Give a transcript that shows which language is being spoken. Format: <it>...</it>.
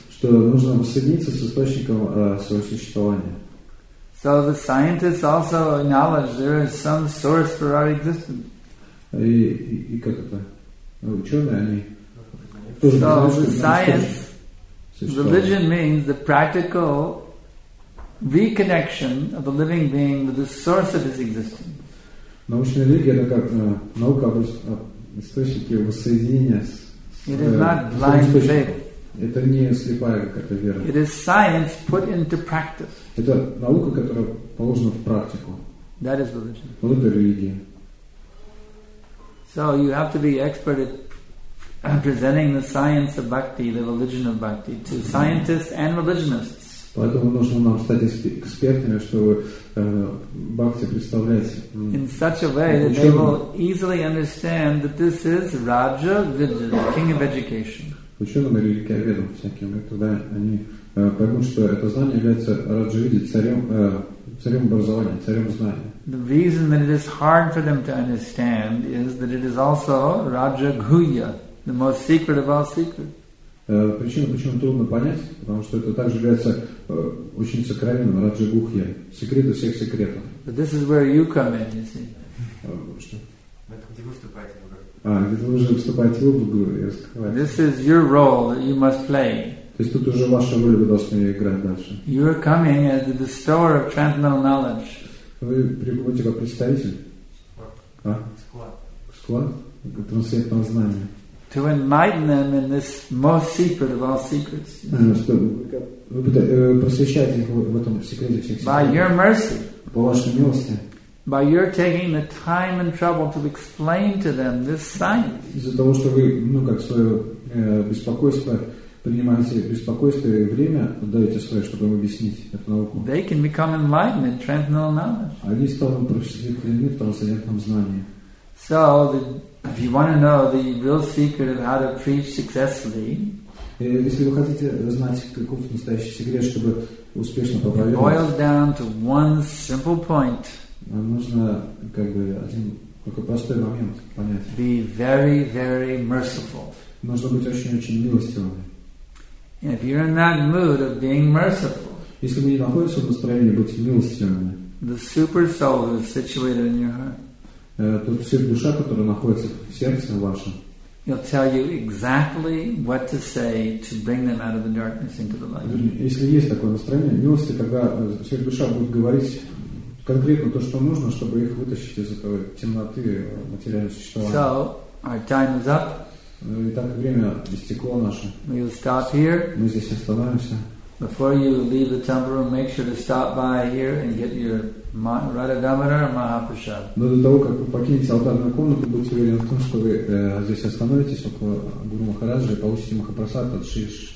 <ru>Что нужно соединиться с источником своего существования.</ru> <en>So the scientists also acknowledge there is some source for our existence.</en> <ru>И как это? Ученые, они тоже знают, что</ru> <en>science, religion means the practical reconnection of the living being with the source of his existence.</en> <ru>Научная религия — это как наука об источнике воссоединения с источником. Это не слепая какая-то вера.</ru> <en>It is science put into practice.</en> <ru>Это наука, которая положена в практику.</ru> <en>That is religion.</en> <ru>Вот это религия.</ru> <en>So you have to be expert at presenting the science of bhakti, the religion of bhakti, to scientists and religionists.</en> <ru>Поэтому нужно нам стать экспертами, чтобы бхакти представлять.</ru> <en>In such a way that they will easily understand that this is Raja Vidya, the king of education.</en> <ru>Ученым и религиоведам всяким, и тогда они поймут, что это знание является Раджавиди, царем образования, царем знания.</ru> <en>The reason that it is hard for them to understand is that it is also Rajaghuya, the most secret of all secrets.</en> <ru>Причина, почему трудно понять, потому что это также является очень сокровенным, Раджагухья, секрет всех секретов.</ru> <en>But this is where you come in, you see.</en> <ru>Что? Где выступаете?</ru> <en>This is your role that you must play. You are coming as the bestower of transcendental knowledge.</en> <ru>Вы приходите как представитель? Склад. Склад? Трансцендентного знания.</ru> <en>To enlighten them in this most secret of all secrets.</en> <ru>Вы просвещаете их в этом секрете всех секретов.</ru> <en>By your mercy.</en> <ru>По вашей милости.</ru> <en>By your taking the time and trouble to explain to them this science.</en> <ru>Из-за того, что вы, ну, как свое беспокойство, принимаете беспокойство и время, отдаете свое, чтобы им объяснить эту науку.</ru> <en>They can become enlightened in transcendental knowledge.</en> <ru>Они станут просветленными в трансцендентном знании.</ru> <en>So, if you want to know the real secret of how to preach successfully,</en> <ru>если вы хотите знать, каков настоящий секрет, чтобы успешно проповедовать,</ru> <en>it boils down to one simple point.</en> <ru>Нам нужно как бы один только простой момент понять.</ru> <en>Be very, very merciful.</en> <ru>Нужно быть очень-очень милостивым.</ru> <en>If you're in that mood of being merciful,</en> <ru>если вы не находитесь в настроении быть милостивыми,</ru> <en>the super soul is situated in your heart.</en> <ru>Тут сверхдуша, которая находится в сердце вашем,</ru> <en>he'll tell you exactly what to say to bring them out of the darkness into the light.</en> <ru>Если есть такое настроение милости, тогда сверхдуша будет говорить конкретно то, что нужно, чтобы их вытащить из этого темноты материального существования.</ru> <en>So, our time is up.</en> <ru>Итак, время истекло наше.</ru> <en>We'll stop here.</en> <ru>Мы здесь остановимся.</ru> <en>Before you leave the temple room, make sure to stop by here and get your Radha-damodar or Mahaprasad.</en> <ru>Но до того, как вы покинете алтарную комнату, будьте уверены в том, что вы здесь остановитесь около Гуру Махараджа и получите Махапрасад от Шри</ru>